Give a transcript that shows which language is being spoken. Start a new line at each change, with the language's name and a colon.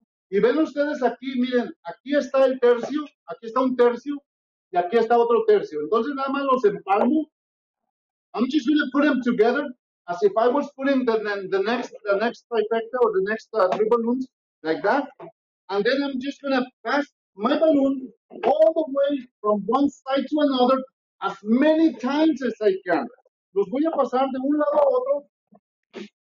Spanish: Y ven ustedes aquí, miren, aquí está el tercio, aquí está un tercio, y aquí está otro tercio. Entonces nada más los empalmo.
English: I'm just gonna put them together as if I was putting the next trifecta or the next three balloons like that, and then I'm just gonna pass my balloon all the way from one side to another as many times as I can.
Spanish: Los voy a pasar de un lado a otro.